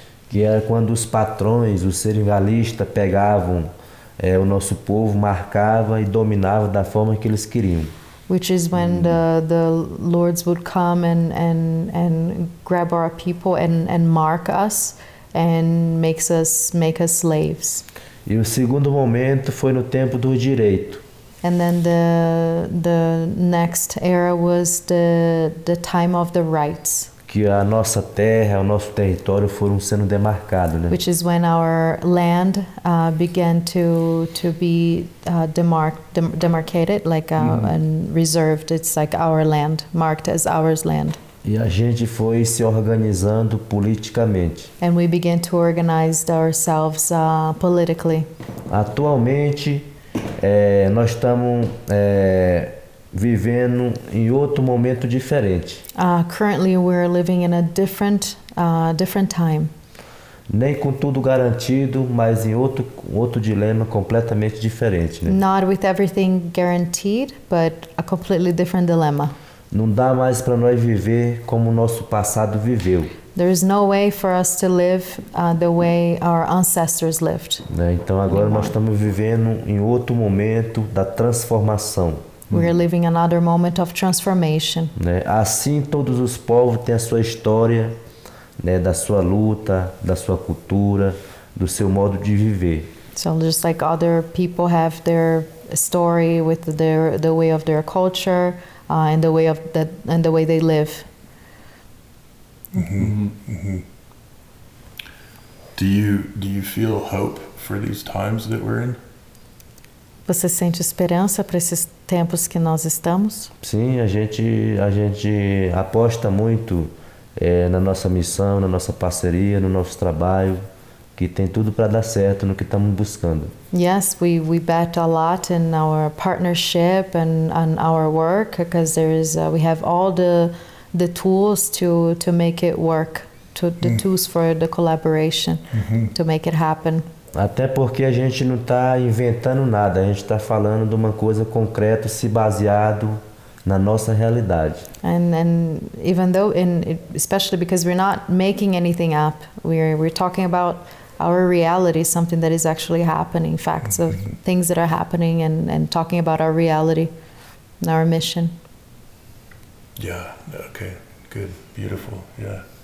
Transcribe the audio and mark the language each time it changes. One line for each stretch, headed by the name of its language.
Portuguese: Que era quando os patrões, os seringalistas, pegavam o nosso povo, marcava e dominava da forma que eles queriam.
English: Which is when the lords would come and grab our people and mark us and make us slaves.
Portuguese: E o segundo momento foi no tempo do direito.
English: And then the next era was the time of the rights.
Portuguese: Que a nossa terra, o nosso território foram sendo demarcados, né?
English: Which is when our land began to be demarcated, like and reserved. It's like our land, marked as our land.
Portuguese: E a gente foi se organizando politicamente.
English: And we began to organize ourselves politically.
Portuguese: Atualmente, nós estamos vivendo em outro momento diferente.
English: Currently we're living in a different time.
Portuguese: Nem com tudo garantido, mas em outro dilema completamente diferente, né?
English: Not with everything guaranteed, but a completely different dilemma.
Portuguese: Não dá mais para nós viver como o nosso passado viveu.
English: There is no way for us to live the way our ancestors lived.
Portuguese: Né? Então agora nós estamos vivendo em outro momento da transformação.
English: We are living another moment of transformation.
Portuguese: Né? Assim todos os povos têm a sua história, né, da sua luta, da sua cultura, do seu modo de viver.
English: So just like other people have their story, with the way of their culture, and the way of that, and the way they live. Do you feel hope for these times that we're in?
Portuguese: Você sente esperança para esses tempos que nós estamos? Sim, a gente aposta muito na nossa missão, na nossa parceria, no nosso trabalho, que tem tudo para dar certo no que estamos buscando.
English: Yes, we bet a lot in our partnership and on our work, because there is we have all the tools to make it work, to the tools for the collaboration, to make it happen.
Portuguese: Até porque a gente não está inventando nada, a gente está falando de uma coisa concreta, se baseado na nossa realidade.
English: And even though, in especially because we're not making anything up, we're talking about our reality, something that is actually happening, facts of things that are happening, and talking about our reality, and our mission. Yeah. Okay. Good. Beautiful. Yeah.